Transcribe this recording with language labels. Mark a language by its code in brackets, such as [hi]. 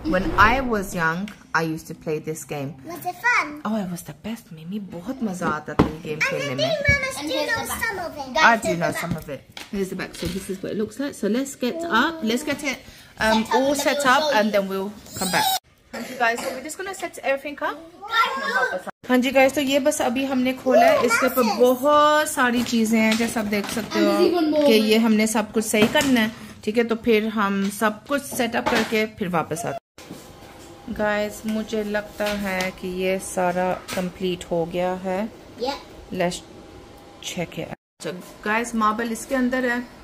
[en] When I was young, I used to play this game. Was it fun? Oh, it was the best, Mimi. [hi] Bohut maza aata tha ye game khelne mein. [en] And I think Mama's do know some of it. Guys, I do know some of it. Here's the back. So this is what it looks like. So let's get up. Let's get it all set up and then we'll come back. [hi] हाँ जी guys तो ये बस अभी हमने खोला है इसके ऊपर बहुत सारी चीजें हैं जैसे आप देख सकते हो कि ये हमने सब कुछ सही करना है ठीक है तो फिर हम सब कुछ सेटअप करके फिर वापस आते हैं गाइस मुझे लगता है कि ये सारा कंप्लीट हो गया है [en] Let's check it So guys, marble is in there.